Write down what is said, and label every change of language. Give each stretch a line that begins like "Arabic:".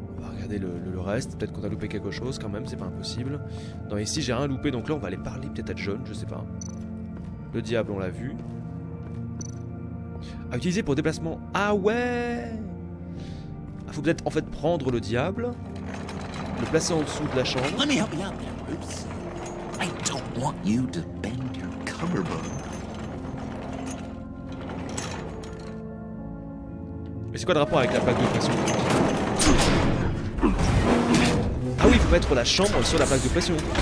French: On va regarder le reste. Peut-être qu'on a loupé quelque chose quand même, c'est pas impossible. Non, ici j'ai rien loupé, donc là on va aller parler peut-être à John, je sais pas. Le diable, on l'a vu. À utiliser pour déplacement. Ah ouais! Faut peut-être en fait prendre le diable, le placer en dessous de la chambre.
English: Let me help you out there, Bruce. I don't want you to bend your cummerbund.
French: Mais c'est quoi le rapport avec la plaque de pression? Ah oui, il faut mettre la chambre sur la plaque de pression.